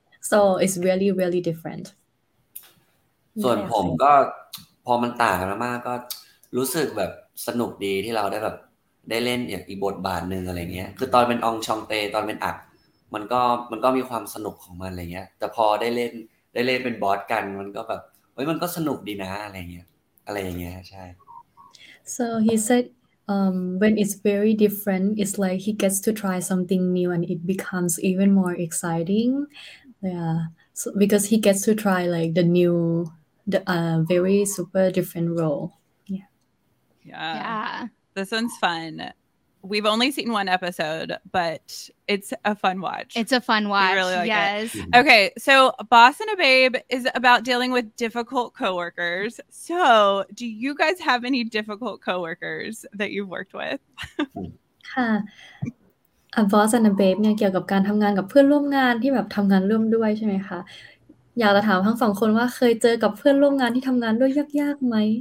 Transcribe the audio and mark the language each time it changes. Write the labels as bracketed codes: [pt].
[en] So it's really, really different. [th] ส่วนผมก็พอมันต่างกันมากก็รู้สึกแบบสนุกดีที่เราได้แบบได้เล่นอีกบทบาทนึงอะไรเงี้ยคือตอนเป็นอองชองเตตอนเป็นอักมันก็มีความสนุกของมันอะไรเงี้ยแต่พอได้เล่นเป็นบอสกันมันก็แบบเฮ้ยมันก็สนุกดีนะอะไรเงี้ยใช่ [en] So he said. When it's very different, it's like he gets to try something new and it becomes even more exciting. Yeah. So, because he gets to try like the new, very super different role. Yeah. This one's fun. We've only seen one episode, but it's a fun watch. It's a fun watch. We really like yes. it. Okay. So Boss and a Babe is about dealing with difficult coworkers. So do you guys have any difficult coworkers that you've worked with? [th] A Boss and a Babe เนี่ยเกี่ยวกับการทำงานกับเพื่อนร่วมงานที่แบบทำงานร่วมด้วยใช่ไหมคะอยากจะถามทั้งสองคนว่าเคยเจอกับเพื่อนร่วมงานที่ทำงานด้วยยากๆไหม